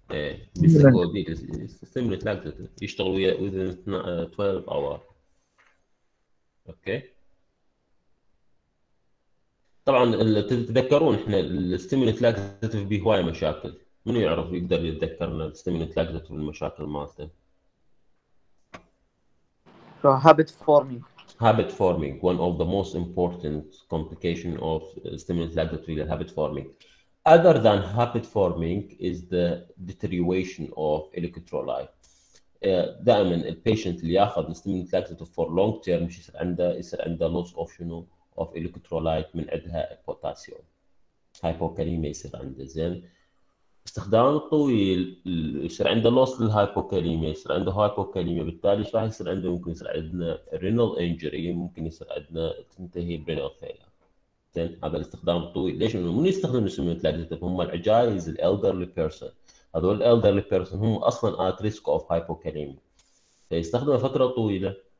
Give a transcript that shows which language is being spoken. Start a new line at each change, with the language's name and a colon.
Arabic: ايه مش سكوديوم ستيمولنت لاكزيتيف يشتغل ويا 12 اور. اوكي طبعا تتذكرون احنا الستيمولنت لاكزيتيف به هواي مشاكل، من يعرف يقدر يتذكرنا الستيمولنت لاكزيتيف المشاكل مالته؟
English: habit forming. habit forming one of the most important complication of stimulant laxative habit forming. other than habit forming is the deterioration of electrolyte.
Arabic: دائما البيشنت اللي ياخذ
English: stimulant laxative for long term
Arabic: يصير عنده
English: loss of
Arabic: شنو
English: of electrolyte
Arabic: من عندها
English: potassium hypokalemia
Arabic: يصير عنده زين استخدام طويل يصير عنده لوس للهايبوكاليميا يصير عنده هايبوكاليميا بالتالي ايش راح يصير عنده ممكن يصير عندنا رينال انجري ممكن يصير عندنا تنتهي برينال فيلر زين هذا الاستخدام الطويل ليش من يستخدم الستيمولنت لاكزيتيف هم العجايز الالدرلي بيرسون هذول الالدرلي بيرسون هم اصلا ات ريسك اوف هايبوكاليميا فيستخدمه فتره طويله